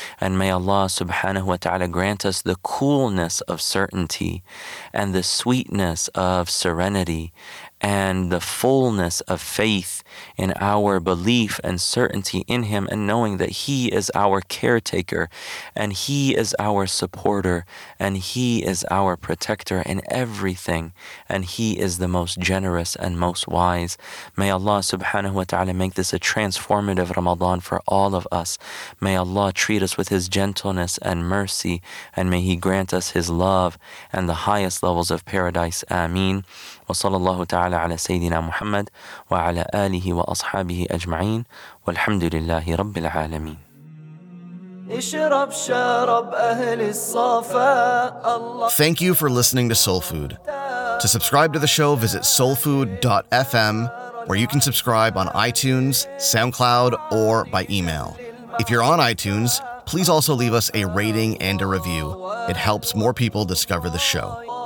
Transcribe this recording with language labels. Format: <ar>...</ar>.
<en>And may Allah subhanahu wa ta'ala grant us the coolness of certainty and the sweetness of serenity and the fullness of faith in our belief and certainty in him, and knowing that he is our caretaker and he is our supporter and he is our protector in everything, and he is the most generous and most wise. May Allah subhanahu wa ta'ala make this a transformative Ramadan for all of us. May Allah treat us with his gentleness and mercy, and may he grant us his love and the highest levels of paradise. Ameen.</en> <ar>وصلى الله تعالى على سيدنا محمد وعلى آله وأصحابه أجمعين والحمد لله رب العالمين. اشرب شرب أهل الصفاء.</ar> <en>Thank you for listening to Soul Food. To subscribe to the show, visit soulfood.fm, where you can subscribe on iTunes, SoundCloud, or by email. If you're on iTunes, please also leave us a rating and a review. It helps more people discover the show.</en>